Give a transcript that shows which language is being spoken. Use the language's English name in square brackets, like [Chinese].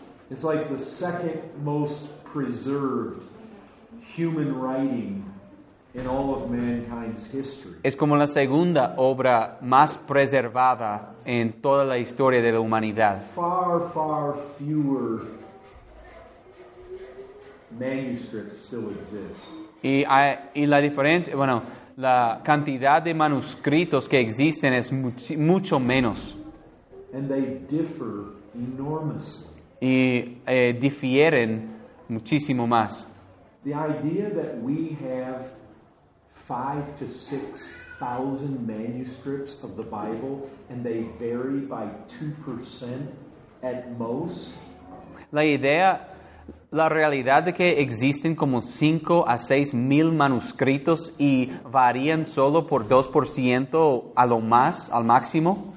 [English] It's like the second most preserved human writing in all of mankind's history. [Spanish] Es como la segunda obra más preservada en toda la historia de la humanidad. [English] Far, far fewer manuscripts still exist. [Spanish] Y la diferencia, bueno, la cantidad de manuscritos que existen es mucho menos. [English] And they differ enormously. [Spanish] Y difieren muchísimo más. [English] The idea that we have 5,000 to 6,000 manuscripts of the Bible and they vary by 2% at most. [Spanish] La idea, la realidad de que existen como 5,000 to 6,000 manuscritos y varían solo por 2% a lo más, al máximo.